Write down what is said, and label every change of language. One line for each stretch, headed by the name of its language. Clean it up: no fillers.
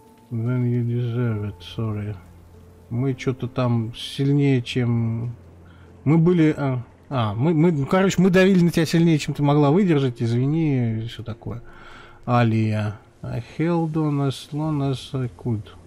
English: Then you deserve it, sorry.
Russian: Мы что-то там сильнее, чем... Мы были... мы... Ну, короче, мы давили на тебя сильнее, чем ты могла выдержать. Извини, и все такое. Алия.
English: I held on as long as I could.